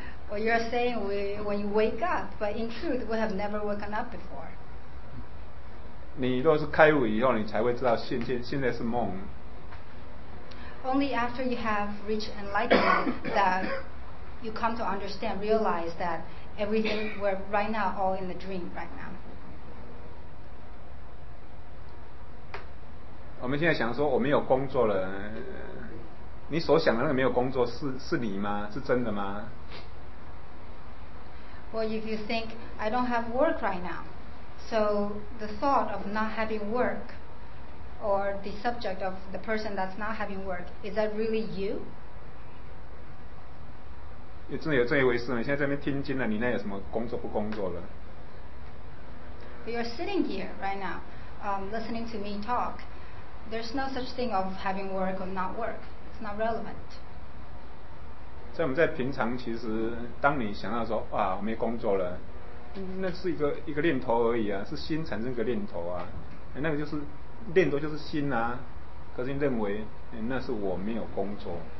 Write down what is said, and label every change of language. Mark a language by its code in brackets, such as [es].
[en] Well, you're saying when you wake up, but in truth we have never woken up before. [zh] 你若是开悟以后你才会知道现在是梦。 [en] Only after you have reached enlightenment that you come to understand, realize thatEverything we're right now all in the dream right now. [zh] 我们现在想说我没有工作了，你所想的那个没有工作是你吗？是真的吗？ [en] Well, if you think I don't have work right now, so the thought of not having work or the subject of the person that's not having work, is that really you? [zh] 真的有这一回事吗？现在在那边听经了，你那有什么工作不工作的？ [en] You're sitting here right now, listening to me talk. There's no such thing of having work or not work. It's not relevant. [zh] 在我们在平常，其实当你想到说啊，我没工作了，那是一个念头而已啊，是心产生一个念头啊，那个就是念头就是心啊，可是你认为那是我没有工作。